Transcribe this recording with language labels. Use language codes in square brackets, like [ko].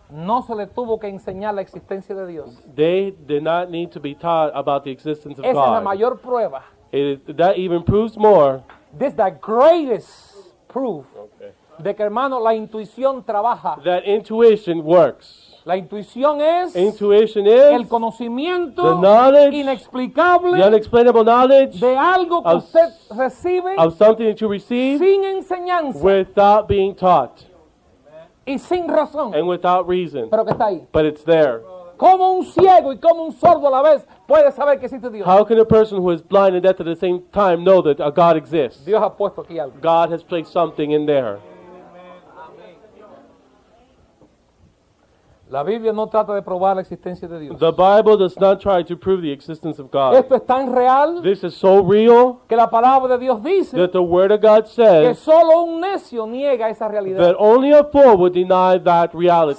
[es] No se le tuvo que enseñar la existencia de Dios. [en] They did not need to be taught about the existence of [es] esa [en] God. [es] Esa es la mayor prueba. [en] That even proves more. This is the greatest proof. Okay. [es] De que, hermano, la intuición trabaja. [en] That intuition works. [es] La intuición es. [en] Intuition is. [es] El conocimiento. [en] The knowledge. [es] Inexplicable. [en] The unexplainable knowledge. [es] De algo que usted recibe. [en] Of something that you receive. [es] Sin enseñanza. [en] Without being taught. [es] Y sin razón. [en] And without reason. [es] Pero que está ahí. [en] But it's there. [es] ¿Cómo un ciego y cómo un sordo a la vez puede saber que existe Dios? [en] How can a person who is blind and deaf at the same time know that a God exists? [es] Dios ha puesto aquí algo. [en] God has placed something in there. [es] La Biblia no trata de probar la existencia de Dios. [en] The Bible does not try to prove the existence of God. [es] Esto es tan real. [en] This is so real. [es] Que la palabra de Dios dice. [en] That the word of God says. [es] Que solo un necio niega esa realidad. [en] That only a fool would deny that reality.